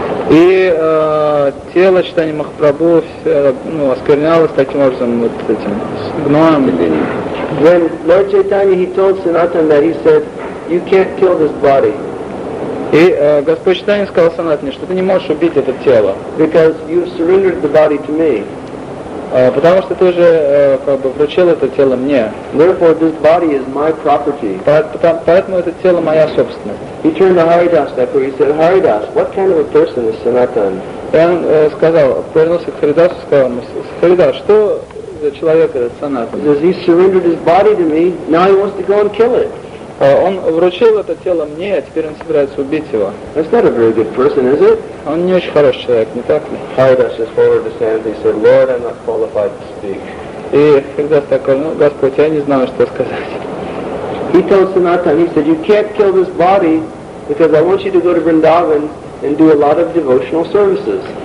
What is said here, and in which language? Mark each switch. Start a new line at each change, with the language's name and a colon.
Russian: И тело Чайтанья Махапрабху ну, осквернялось таким образом, вот этим, с гноем.
English: When Lord Chaitanya, he told Sanatana that, he said, you can't kill this body.
Russian: И Господь Чайтанья сказал Санатане, что ты не можешь убить это тело.
English: Because you've surrendered the body to me.
Russian: Потому что ты уже как бы вручил это тело мне.
English: Therefore, this body is my property.
Russian: Поэтому это тело моя собственность.
English: He turned to Haridas, therefore, he said, Haridas, what kind of a person is Sanatana?
Russian: И он сказал, повернулся к Харидасу, сказал ему, Харидас, что за человек этот Санатана?
English: Because he surrendered his body to me, now he wants to go and kill it.
Russian: Он вручил это тело мне, а теперь он собирается убить его.
English: That's not a very good person, is it?
Russian: Он не очень хороший человек, не так ли?
English: Haridas just followed his hand, he said, Lord, I'm not qualified to speak.
Russian: И Haridas такой, ну, Господь, я не знаю, что сказать.
English: He told Sanatana, he said, you can't kill this body, because I want you to go to Vrindavan and do a lot of devotional services.